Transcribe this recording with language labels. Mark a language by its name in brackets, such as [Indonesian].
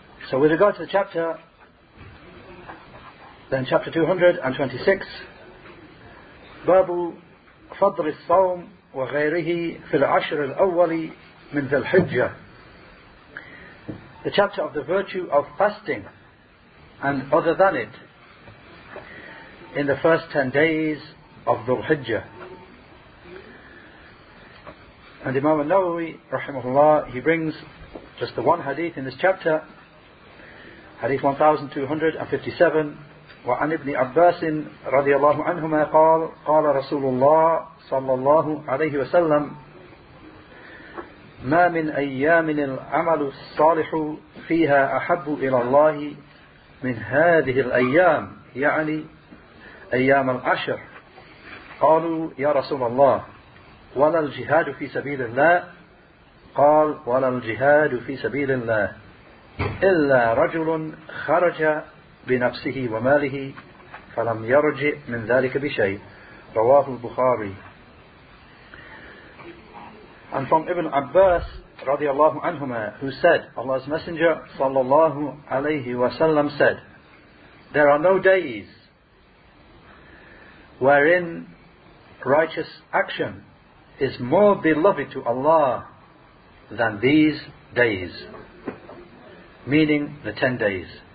[English] So with regard to the chapter, then chapter 226, Babu Fadr al-Sawm wa ghayrihi fil ashr al-awwali min Dhul-Hijjah, the chapter of the virtue of fasting and other than it in the first 10 days of Dhul-Hijjah. And Imam al-Nawawi, rahimahullah, he brings just the one hadith in this chapter, Hadith 1257, [Arabic] وعن ابن عباس رضي الله عنهما قال قال رسول الله صلى الله عليه وسلم ما من أيام العمل الصالح فيها أحب إلى الله من هذه الأيام يعني أيام العشر قالوا يا رسول الله ولا الجهاد في سبيل الله قال ولا الجهاد في سبيل الله إلا رجل خرج بنفسه وماله فلم يرجع من ذلك بشيء رواه البخاري. [English] And from Ibn Abbas رضي الله عنهما, who said, Allah's Messenger صلى الله عليه وسلم said, there are no days wherein righteous action is more beloved to Allah than these days, meaning the 10 days.